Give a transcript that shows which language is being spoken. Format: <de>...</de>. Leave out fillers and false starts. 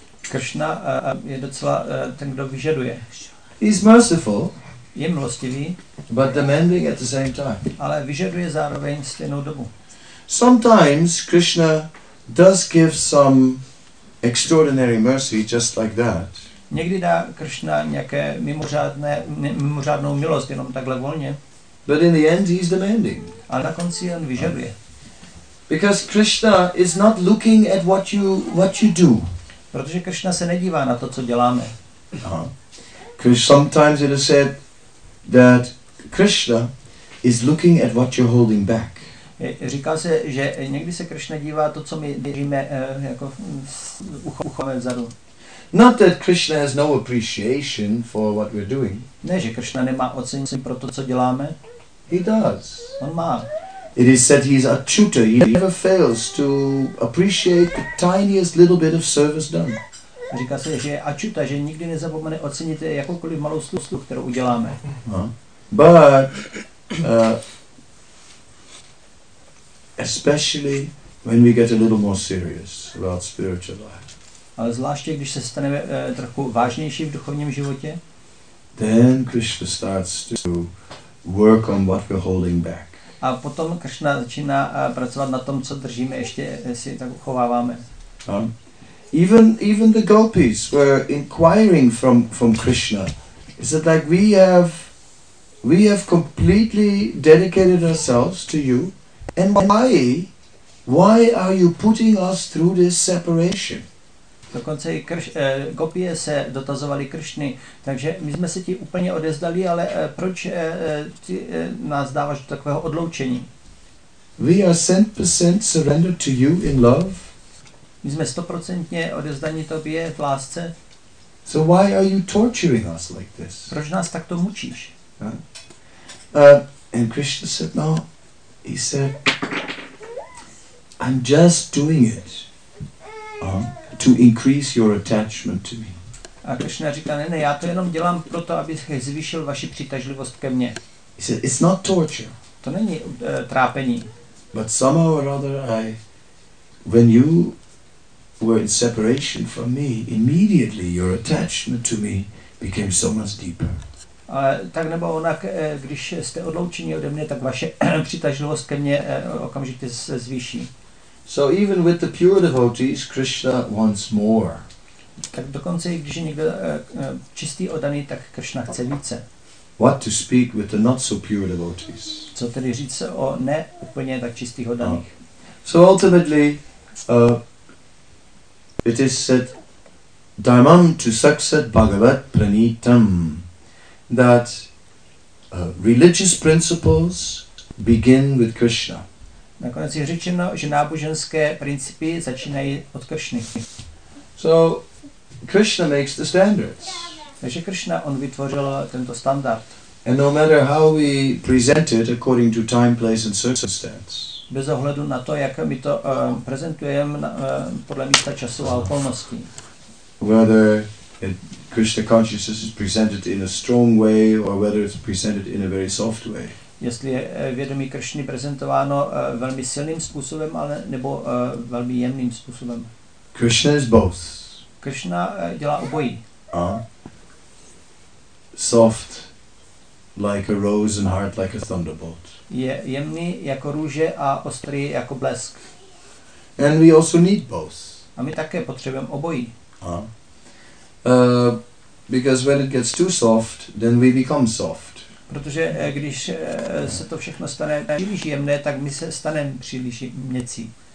<cs>Krishna je docela ten, kdo vyžaduje.</cs> <en>He's merciful.</en> <cs>Je milostivý.</cs> <en>But demanding at the same time.</en> <cs>Ale vyžaduje zároveň stejnou dobu.</cs> <en>Sometimes Krishna does give some extraordinary mercy just like that.</en> <cs>Někdy dá Krishna nějaké mimořádnou milost jenom takhle volně.</cs> <en>But in the end he's demanding.</en> <cs>Ale na konci on vyžaduje.</cs> <en>Because Krishna is not looking at what you do.</en> <cs>Protože Krishna se nedívá na to, co děláme.</cs> <en>Because sometimes it is said that Krishna is looking at what you're holding back.</en> <cs>Říkal se, že někdy se Krishna dívá to, co my držíme jako uchem vzadu.</cs> <en>Not that Krishna has no appreciation for what we're doing.</en> <cs>Ne, že Krishna nemá ocenění pro to, co děláme.</cs> <en>He does.</en> <cs>On má.</cs> <en>It is said he is a tutor. He never fails to appreciate the tiniest little bit of service done.</en> <cs>Říká se, že je ačuta, že nikdy nezapomene ocenit jakoukoliv malou službu, kterou uděláme.</cs> <en>But especially when we get a little more serious about spiritual life.</en> <cs>Ale zvláště, když se staneme trochu vážnější v duchovním životě,</cs> <en>then Krishna starts to work on what we're holding back.</en> <cs>A potom Krishna začíná pracovat na tom, co držíme ještě, si tak uchováváme.</cs> <en>Even the gopis were inquiring from Krishna. Is it like we have completely dedicated ourselves to you, and why are you putting us through this separation?</en> <cs>Dokonce i gopie se dotazovali Krishny, takže my jsme se ti úplně odezdali, ale proč ty nás dáváš do takového odloučení?</cs> <en>We are 100% surrendered to you in love.</en> <cs>My jsme 100% odevzdaní tobě v lásce.</cs> <en>So why are you torturing us like this?</en> <cs>Proč nás takto mučíš?</cs> <en>And Krishna said, no. He said, I'm just doing it to increase your attachment to me.</en> <cs>A Krishna říká, ne, já to jenom dělám proto, abych zvýšil vaši přitažlivost ke mně.</cs> <en>He said, it's not torture.</en> <cs>To není trápení.</cs> <en>But somehow or other, when you were in separation from me, immediately your attachment to me became so much deeper.</en> <cs>A tak nebo onak, když jste odloučeni ode mě, tak vaše přitažlivost ke mně okamžitě se zvýší.</cs> <en>So even with the pure devotees, Krishna wants more.</en> <cs>Tak dokonce i když je někdo čistý oddaný, tak Krishna chce více.</cs> <en>What to speak with the not so pure devotees?</en> <cs>Co tedy říct o ne úplně tak čistých oddaných?</cs> <en>So ultimately, it is said,</en> <sa>"Dharmam tu sakshat Bhagavat pranitam,"</sa> <en>that religious principles begin with Krishna.</en> <cs>Nakonec je řečeno, že náboženské principy začínají od Krishny.</cs> <en>So Krishna makes the standards.</en> <cs>Takže Krishna, on vytvořil tento standard.</cs> <en>And no matter how we present it according to time, place and circumstance.</en> <cs>Bez ohledu na to, jak my to prezentujeme podle místa, času a okolností.</cs> <en>Whether Krishna consciousness is presented in a strong way or whether it's presented in a very soft way.</en> <cs>Jestli je vědomí Krishny prezentováno velmi silným způsobem, ale nebo velmi jemným způsobem.</cs> <en>Krishna is both.</en> <cs>Krishna dělá obojí.</cs> <en>Soft like a rose and hard like a thunderbolt.</en> <cs>Je jemný jako růže a ostrý jako blesk.</cs> <en>And we also need both.</en> <cs>A my také potřebujeme obojí.</cs> <en>Because when it gets too soft, then we become soft.</en> <cs>Protože když se to všechno stane příliš jemné, tak my se staneme příliš měcí.</cs>